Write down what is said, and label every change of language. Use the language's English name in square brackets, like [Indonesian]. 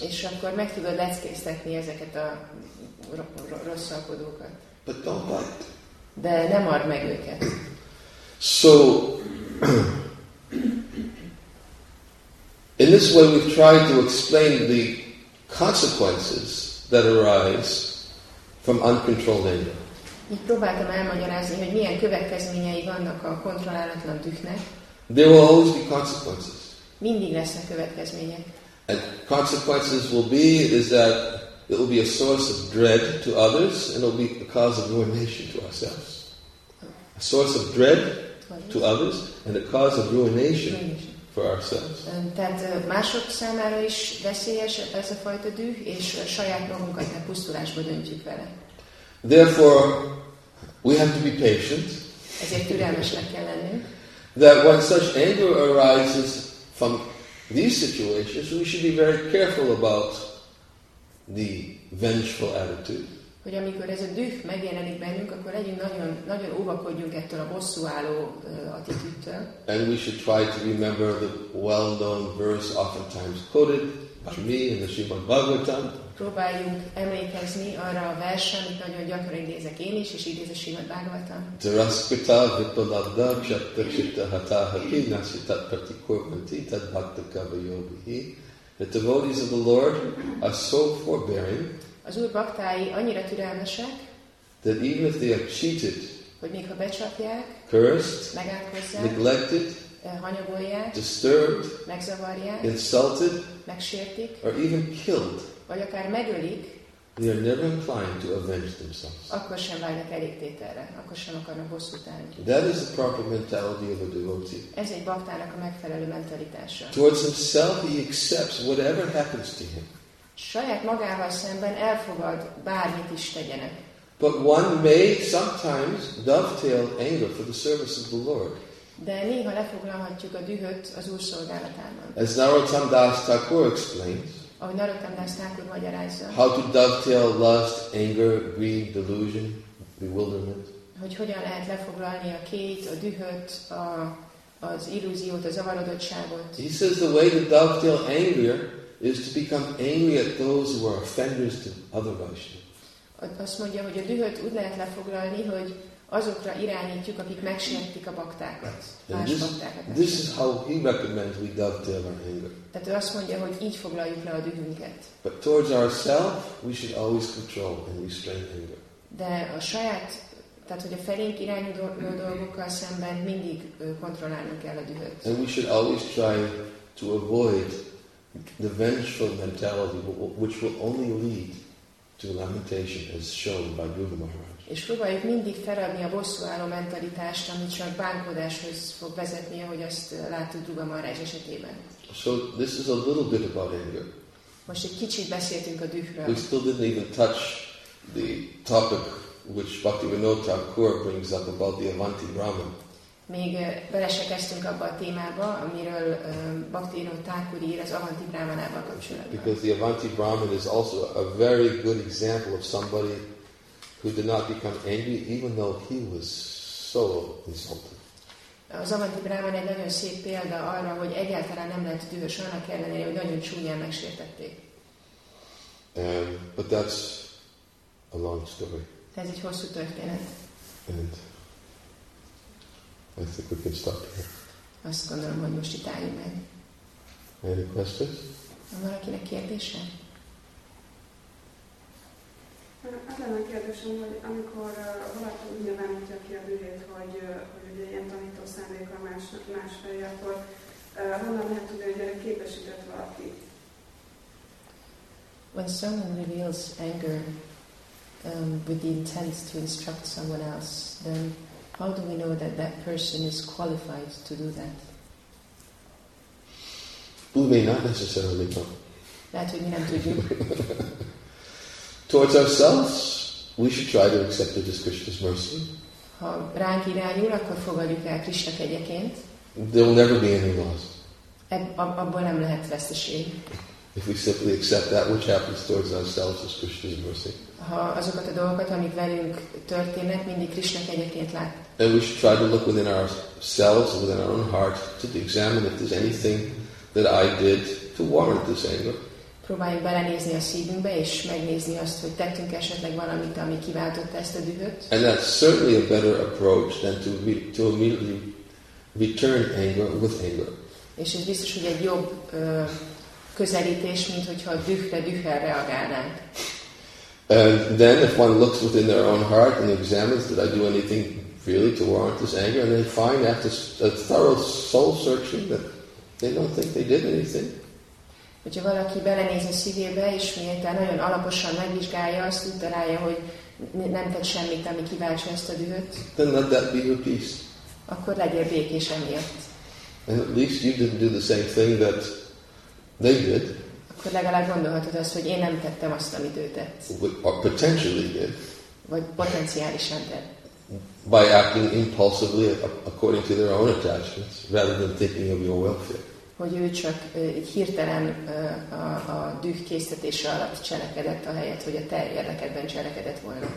[Hungarian] És akkor meg tudod leckésztetni ezeket a rosszalkodókat. [English] But don't bite. [Hungarian] De ne mard meg őket. [English] So, in this way we've tried to explain the consequences that arise from uncontrolled anger. [Hungarian] Így próbáltam elmagyarázni, hogy milyen következményei vannak a kontrollálatlan dühnek. [English] There will always be consequences. [Hungarian] Mindig lesznek következmények. [English] And consequences will be is that it will be a source of dread to others and it will be a cause of ruination to ourselves. A source of dread to others and a cause of ruination for ourselves. [Hungarian] Tehát mások számára is veszélyes ez a fajta düh, és saját magunkat nem pusztulásba döntjük vele. [English] Therefore, we have to be patient. [Hungarian] Ezért türelmesnek kell lennünk. [English] That when such anger arises from these situations, we should be very careful about the vengeful attitude. [Hungarian] Hogy amikor ez a düh megjelenik bennünk, akkor legyünk nagyon, nagyon óvakodjunk ettől a bosszúálló attitűdtől. [English] And we should try to remember the well-known verse, oftentimes quoted by me in the Srimad Bhagavatam. [Hungarian] Próbáljunk emlékezni arra a versre, amit nagyon gyakran idézek én is, és idéz a Srimad Bhagavatam. [Sanskrit] Taraskita vipaladda chatta chitta hataha ki nasita prati kurvanti tad bhakta kava yogihi. [English] The devotees of the Lord are so forbearing, [Hungarian] az Úr baktái annyira türelmesek, [English] that even if they are cheated, [Hungarian] hogy még ha becsapják, [English] cursed, [Hungarian] megátkozzák, [English] neglected, [Hungarian] hanyagolják, [English] disturbed, [Hungarian] megzavarják, [English] insulted, [Hungarian] megsértik, [English] or even killed, [Hungarian] vagy akár megölik, [English] they are never inclined to avenge themselves. [Hungarian] Akkor sem válnak elégtételre, akkor sem akarnak bosszút állni. [English] That is the proper mentality of a devotee. [Hungarian] Ez egy baktának a megfelelő mentalitása. [English] Towards himself he accepts whatever happens to him. [Hungarian] Saját magával szemben elfogad, bármit is tegyenek. [English] But one may sometimes dovetail anger for the service of the Lord. [Hungarian] De néha lefoglalhatjuk a dühöt az Úr szolgálatában. [English] As Narottam Das Thakur explains, [Hungarian] ahogy Narottam Das Thakur magyarázza, [English] how to dovetail lust, anger, greed, delusion, bewilderment. [Hungarian] Hogy hogyan lehet lefoglalni a két, a dühöt, az illúziót, a zavarodottságot. [English] He says the way to dovetail anger is to become angry at those who are offenders to other Vaishnavas. [Hungarian] Azt mondja, hogy a dühöt úgy lehet lefoglalni, hogy azokra irányítjuk, akik megsértik a baktákat. [English] This is how he recommends we dovetail our anger. [Hungarian] Tehát ő azt mondja, hogy így foglaljuk le a dühünket. [English] But towards ourselves, we should always control and restrain anger. [Hungarian] De a saját, tehát hogy a felénk irányuló dolgokkal szemben mindig kontrollálnunk kell a dühöt. [English] And we should always try to avoid the vengeful mentality, which will only lead to lamentation, as shown by Guru Maharaj. [Hungarian] És próbáljuk mindig feladni a bosszúálló mentalitást, amit csak bánkodáshoz fog vezetni, ahogy azt láttuk Guru Maharaj esetében. [English] So this is a little bit about anger. [Hungarian] Most egy kicsit beszéltünk a dühről. [English] We still didn't even touch the topic which Bhaktivinoda Thakur brings up about the Avanti Brahman. [Hungarian] Még bele se kezdtünk abba a témába, amiről Bhaktivinoda Thakur ír az Avanti Brahmanával kapcsolatban. [English] Because the Avanti Brahman is also a very good example of somebody who did not become angry, even though he was so insulted. [Hungarian] Az Avanti Brahman egy nagyon szép példa arra, hogy egyáltalán nem lehet dühös annak ellenére, hogy nagyon csúnyán megsértették. [English] But that's a long story. [Hungarian] Ez egy hosszú történet. [English] And I think we can stop here. [Hungarian] Azt gondolom, hogy most itt álljunk meg. [English] Any questions? [Hungarian] Van valakinek kérdése? Az lenne kérdésem, hogy amikor valaki úgy nyilvánítja ki a dühét, hogy ugye ilyen tanító szándéka más felé, akkor honnan lehet tudni, hogy erre képesített valaki? [English] When someone reveals anger with the intent to instruct someone else, then how do we know that that person is qualified to do that? We may not necessarily know. That we need to do. Towards ourselves, we should try to accept it as Krishna's mercy. [Hungarian] Ha ránk irányul, akkor fogadjuk el Krishna kegyeként. [English] There will never be any loss. [Hungarian] Abban nem lehet veszteség. [English] If we simply accept that which happens towards ourselves as Krishna's mercy. [Hungarian] Ha azokat a dolgokat, amik velünk történnek, mindig Krishna kegyeként lát. [English] And we should try to look within ourselves, within our own heart, to examine if there's anything that I did to warrant this anger. [Hungarian] Próbáljuk belenézni a szívünkbe, és megnézni azt, hogy tettünk esetleg valamit, ami kiváltotta ezt a dühöt. [English] And that's certainly a better approach than to immediately return anger with anger. [Hungarian] És ez biztos, hogy egy jobb közelítés, mint hogyha dühre reagálnánk. [English] And then if one looks within their own heart and examines, did I do anything really to warrant this anger? And they find after a thorough soul searching that they don't think they did anything. [Hungarian] Hogyha valaki belenéz a szívébe, és miután nagyon alaposan megvizsgálja, azt utalálja, hogy nem tett semmit, ami kiváltsa ezt a dühöt. [English] Then let that be your peace. [Hungarian] Akkor legyél békés emiatt. [English] And at least you didn't do the same thing that they did. [Hungarian] Akkor legalább gondolhatod azt, hogy én nem tettem azt, amit ő tett. [English] Or potentially did. [Hungarian] Vagy potenciálisan tett. [English] By acting impulsively according to their own attachments, rather than thinking of your welfare. [Hungarian] Hogy ő csak egy hirtelen a düh késztetése alatt cselekedett, ahelyett, hogy a te érdekedben cselekedett volna.